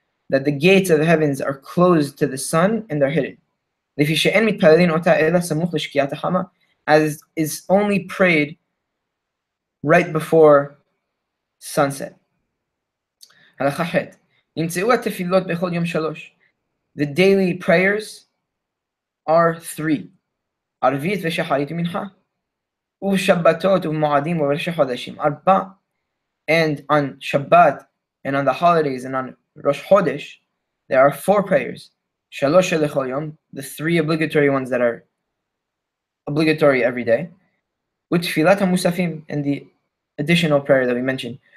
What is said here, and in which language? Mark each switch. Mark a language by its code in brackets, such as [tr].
[en] that the gates of the heavens are closed to the sun and they're hidden. [he] לפי שאין מתפללים אותה אלא סמוך לשקיעת החמה, [en] as is only prayed right before sunset. [he] הלכה ח' נמצאו התפילות בכל יום שלוש. [en] The daily prayers are three. [he] ערבית ושחרית ומנחה. ושבתות ומועדים ובראשי חודשים. ארבע. [en] And on Shabbat and on the holidays and on Rosh Chodesh, there are four prayers. [he] Shalosh lechol yom, [en] the three obligatory ones that are obligatory every day. [he] Utfilat ha-musafim, [en] and the additional prayer that we mentioned.